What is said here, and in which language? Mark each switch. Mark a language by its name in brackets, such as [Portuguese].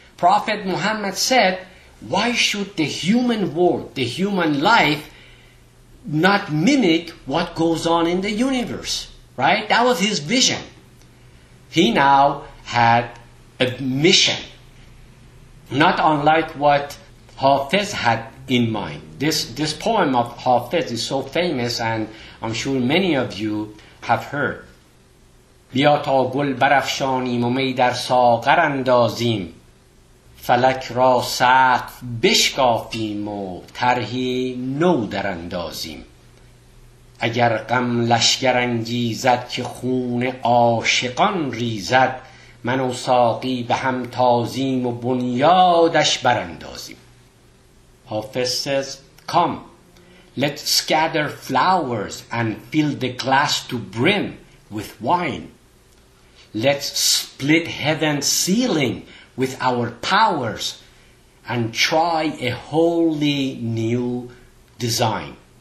[English] Prophet Muhammad said, why should the human world, the human life, not mimic what goes on in the universe? Right? That was his vision. He now had a mission, not unlike what Hafez had in mind. This poem of Hafez is so famous, and I'm sure many of you have heard. [Persian] بیا تا گل برافشانیم و می در ساغر اندازیم فلک را سقف بشکافیم و طرحی نو در اندازیم اگر غم لشکر انگیزد که خون عاشقان ریزد من و ساقی به هم تازیم و بنیادش براندازیم. [English] Hafez says, come, let's scatter flowers and fill the glass to brim with wine. Let's split heaven's ceiling with our powers and try a wholly new design.